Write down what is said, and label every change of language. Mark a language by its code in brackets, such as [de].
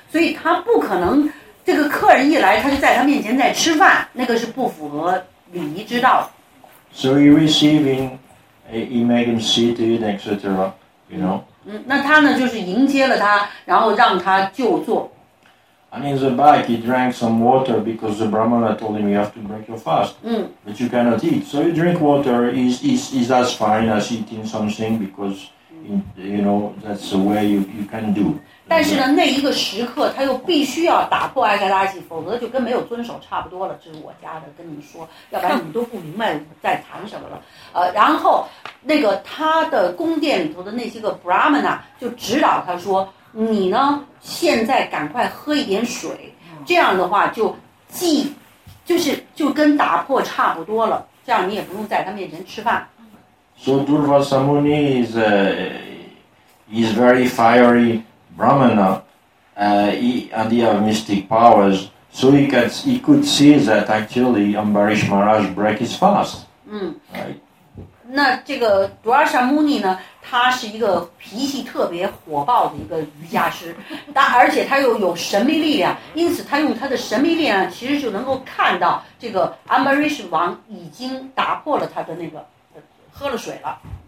[zh] 所以他不可能，这个客人一来，他就在他面前在吃饭，那个是不符合礼仪之道。 [en] So he receiving, he made him seated, etc. You know. [zh] 那他呢，就是迎接了他，然后让他就坐。 [en] And in the back, he drank some water because the Brahmana told him you have to break your fast, but you cannot eat. So you drink water is as fine as eating something because, you know, that's the way you can do. [zh] 但是呢，那一个时刻他又必须要打破埃卡达西，否则就跟没有遵守差不多了。这是我家的，跟你说，要不然你们都不明白在谈什么了。然后那个他的宫殿里头的那些个 Brahmana 就指导他说。你呢？现在赶快喝一点水，这样的话就既就是就跟打破差不多了，这样你也不用在他面前吃饭。 [en] So Durvasa Muni is very fiery Brahmana, and he has mystic powers, so he could see that actually Ambarish Maharaj break his fast. Right. [zh] 那这个 Durvasa Muni 呢？他是一个脾气特别火爆的一个瑜伽师，而且他又有神秘力量，因此他用他的神秘力量其实就能够看到这个 Ambarish 王已经打破了他的那个喝了水了。